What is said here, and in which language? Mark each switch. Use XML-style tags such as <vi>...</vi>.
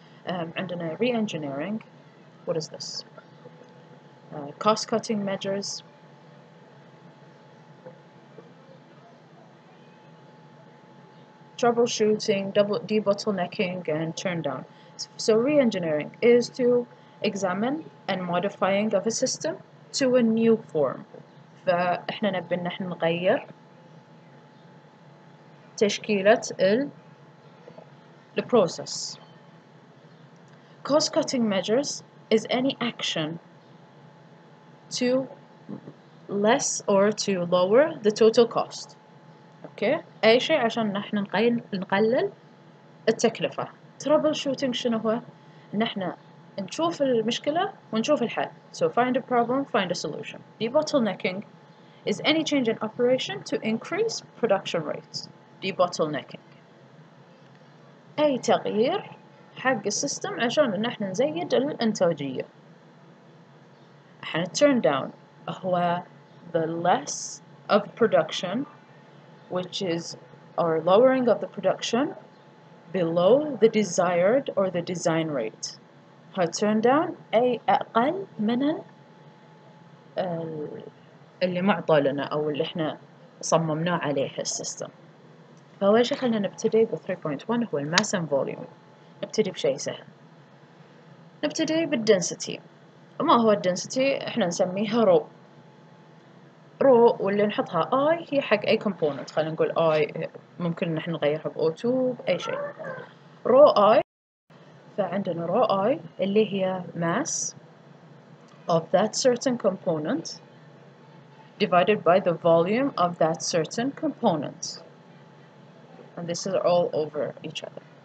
<en>And then re-engineering, what is this? Cost-cutting measures, troubleshooting, double debottlenecking, and turndown. So re-engineering is to examine and modifying of a system to a new form.</en> <ar>فاحنا نبي نحن نغير تشكيلة ال process.</ar> <en>Cost-cutting measures is any action to less or to lower the total cost. Okay?</en> <ar>أي شيء عشان نحن نقلل التكلفة. Troubleshooting شنو هو؟ نحن نشوف المشكلة ونشوف الحل.</ar> <en>So find a problem, find a solution. Debottlenecking is any change in operation to increase production rates. Debottlenecking.</en> <ar>أي تغيير حق السيستم عشان نحن نزيد الإنتاجية.</ar> <en>And a turn down, the less of production, which is our lowering of the production below the desired or the design rate.</en> <ar>A turn down, أي أقل من اللي معطى لنا أو اللي إحنا صممنا عليه السيستم. فأول شيء خلنا نبتدي بـ 3.1 هو الماس and volume. نبتدي بشيء سهل. نبتدي بالدنسيتي. ما هو الدنسيتي احنا نسميها رو رو واللي نحطها اي هي حق اي كومبوننت خلينا نقول اي ممكن نحن نغيرها بـ O2 اي شيء رو اي فعندنا رو اي اللي هي</ar> <en>mass of that certain component divided by the volume of that certain component and this is all over each other</en>